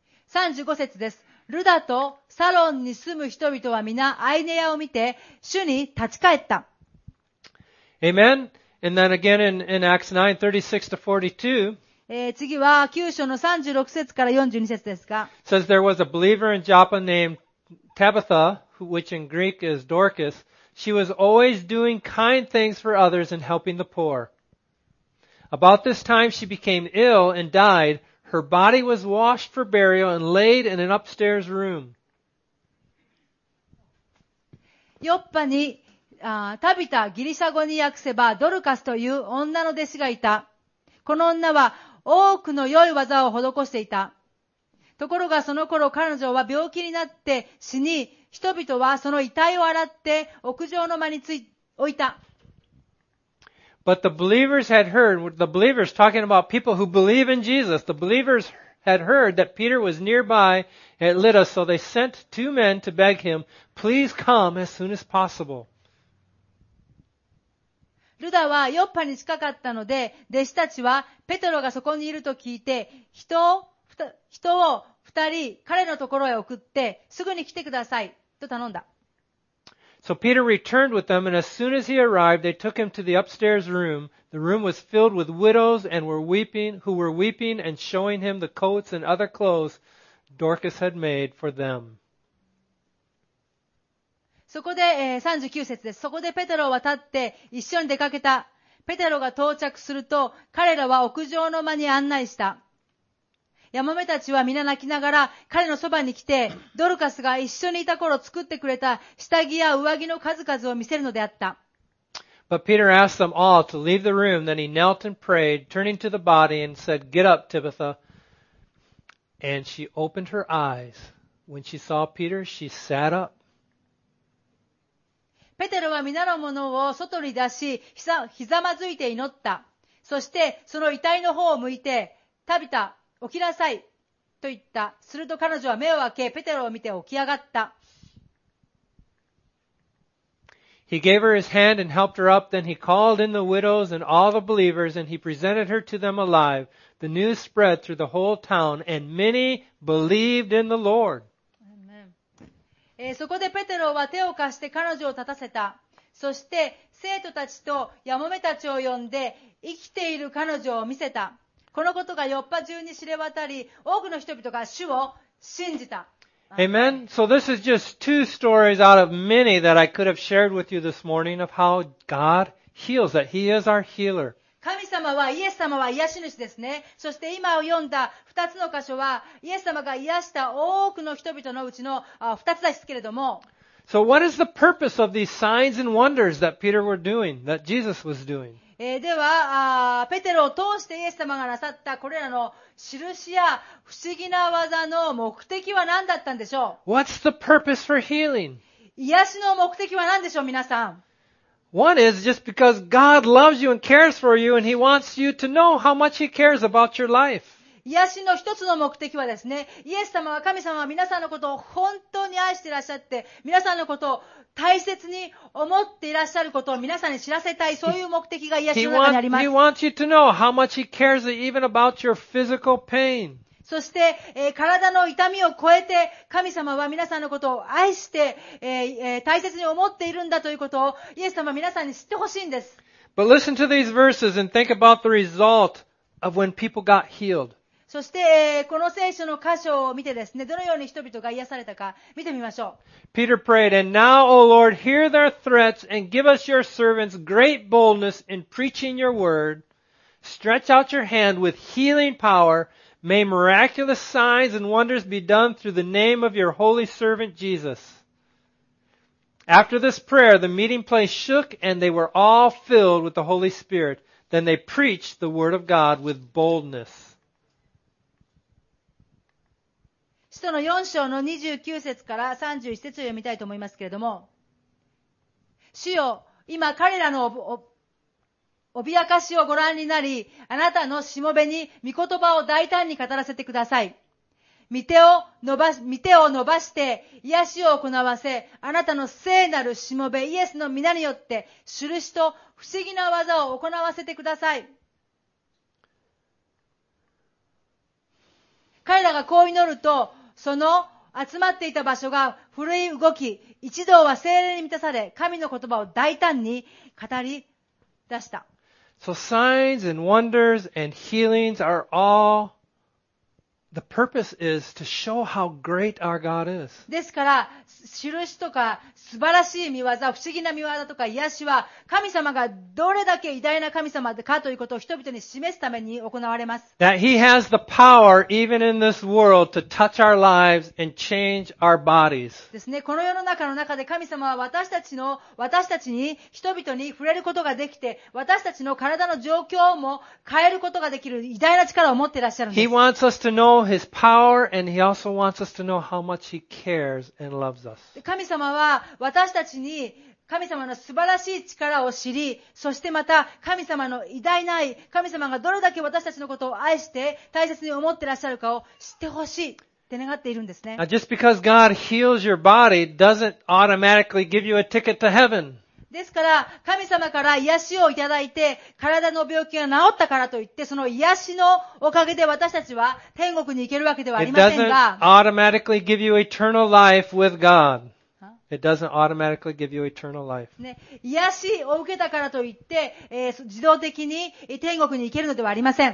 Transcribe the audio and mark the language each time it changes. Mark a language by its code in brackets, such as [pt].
[ja] 35節です。ルダとサロンに住む人々は皆アイネアを見て主に立ち返った。 [en] Amen. And then again in Acts 9:36-42. [ja] 次は9章の36節から42節ですが、 [en] says there was a believer in Joppa named Tabitha, which in Greek is Dorcas. She was always doing kind things for others and helping the poor. About this time she became ill and died. Her body was washed for burial and laid in an upstairs room. [ja] ヨッパに、タビタ、ギリシャ語に訳せばドルカスという女の弟子がいた。この女は多くの良い技を施していた。ところがその頃彼女は病気になって死に、人々はその遺体を洗って屋上の間に置いた。 [en] But the believers had heard, the believers talking about people who believe in Jesus, the believers had heard that Peter was nearby at Lydda, so they sent two men to beg him, please come as soon as possible. [ja] ルダはヨッパに近かったので、弟子たちはペテロがそこにいると聞いて、人を二人彼のところへ送って、すぐに来てくださいと頼んだ。 [en] So Peter returned with them, and as soon as he arrived, they took him to the upstairs room. The room was filled with widows and were weeping, who were weeping and showing him the coats and other clothes Dorcas had made for them. [ja] そこで、39節です。そこでペテロは立って一緒に出かけた。ペテロが到着すると彼らは屋上の間に案内した。ヤマメたちは皆泣きながら彼のそばに来て、ドルカスが一緒にいた頃作ってくれた下着や上着の数々を見せるのであった。 [en] But Peter asked them all to leave the room. Then he knelt and prayed, turning to the body and said, Get up, Tabitha. And she opened her eyes. When she saw Peter, she sat up. [ja] ペテロは皆の者を外に出し、ひざまずいて祈った。そして、その遺体の方を向いて、タビタ、起きなさい、と言った。すると彼女は目を開け、ペテロを見て起き上がった。 [en] He gave her his hand and helped her up. Then he called in the widows and all the believers and he presented her to them alive. The news spread through the whole town and many believed in the Lord. [ja] そこでペテロは手を貸して彼女を立たせた。そして生徒たちとヤモメたちを呼んで生きている彼女を見せた。このことがヨッパ中に知れ渡り、多くの人々が主を信じた。 [en] Amen. So this is just two stories out of many that I could have shared with you this morning of how God heals, that He is our healer. [ja] 神様は、イエス様は癒し主ですね。そして今を読んだ二つの箇所は、イエス様が癒した多くの人々のうちの二つですけれども。 [en] So what is the purpose of these signs and wonders that Peter were doing, that Jesus was doing? [ja] では、ペテロを通してイエス様がなさったこれらの印や不思議な技の目的は何だったんでしょう? [en] What's the purpose for healing? [ja] 癒しの目的は何でしょう、皆さん? [en] One is just because God loves you and cares for you and He wants you to know how much He cares about your life. [ja] 癒しの一つの目的はですね、イエス様は神様は皆さんのことを本当に愛していらっしゃって、皆さんのことを大切に思っていらっしゃることを皆さんに知らせたい、そういう目的が癒しの中にあります。 [en] He wants you to know how much He cares even about your physical pain. [ja] そして、体の痛みを超えて神様は皆さんのことを愛して、大切に思っているんだということをイエス様は皆さんに知ってほしいんです。 [en] But listen to these verses and think about the result of when people got healed. [ja] そして、この聖書の箇所を見てですね、どのように人々が癒されたか見てみましょう。 [en] Peter prayed, and now, O Lord, hear their threats and give us your servants great boldness in preaching your word. Stretch out your hand with healing power. May miraculous signs and wonders be done through the name of your holy servant Jesus. After this prayer, the meeting place shook and they were all filled with the Holy Spirit. Then they preached the word of God with boldness. [ja] 使徒の4章の29節から31節を読みたいと思いますけれども、主よ、今彼らの脅かしをご覧になり、あなたのしもべに御言葉を大胆に語らせてください。御手を伸ばして、癒しを行わせ、あなたの聖なるしもべイエスの皆によって、印と不思議な技を行わせてください。彼らがこう祈ると、その集まっていた場所が震え動き、一同は聖霊に満たされ、神の言葉を大胆に語り出した。 [en] So signs and wonders and healings are all... The purpose is to show how great our God is. [ja] ですから、印とか素晴らしい御業、不思議な御業とか癒しは、神様がどれだけ偉大な神様かということを人々に示すために行われます。 [en] That He has the power, even in this world, to touch our lives and change our bodies. [ja] ですね、この世の中の中で神様は私たちに、人々に触れることができて、私たちの体の状況も変えることができる偉大な力を持っていらっしゃるんです。 [en] He wants us to knowHis power, and He also wants us to know how much He cares and loves us. [ja] 神様は私たちに神様の素晴らしい力を知り、そしてまた神様の偉大な愛、神様がどれだけ私たちのことを愛して大切に思っていらっしゃるかを知ってほしいって願っているんですね。 [en] Now, just because God heals your body doesn't automatically give you a ticket to heaven. [ja] ですから神様から癒しをいただいて体の病気が治ったからといってその癒しのおかげで私たちは天国に行けるわけではありませんが [en] It doesn't automatically give you eternal life with God. It doesn't automatically give you eternal life.、 [ja] ね、癒しを受けたからといって、自動的に天国に行けるのではありません。